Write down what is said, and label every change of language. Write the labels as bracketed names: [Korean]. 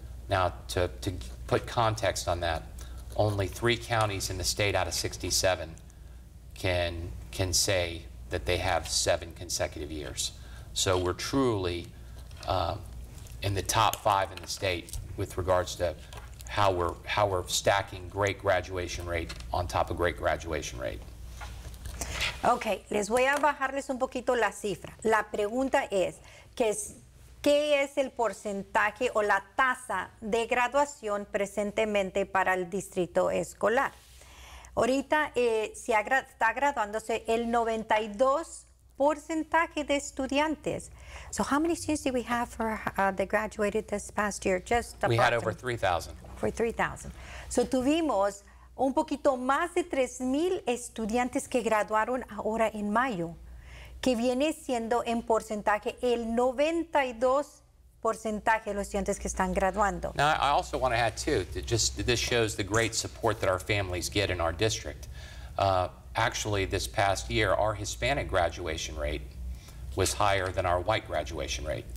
[English] Now, to put context on that, only three counties in the state out of 67 can say that they have seven consecutive years. So we're truly in the top five in the state with regards to how we're stacking great graduation rate on top of great graduation rate. [Spanish] Okay, les voy a bajarles un poquito la cifra. La pregunta es, ¿qué es el porcentaje o la tasa de graduación presentemente para el distrito escolar? Ahorita está graduándose el 92% de estudiantes. [English] So how many students did we have for that graduated this past year? Just we had over 3,000. For 3,000. [Spanish] So tuvimos un poquito más de 3,000 estudiantes que graduaron ahora en mayo, que viene siendo en porcentaje el 92% de los estudiantes que están graduando. [English] Now, I also want to add, too, that this shows the great support that our families get in our district. Actually, this past year, our Hispanic graduation rate was higher than our white graduation rate.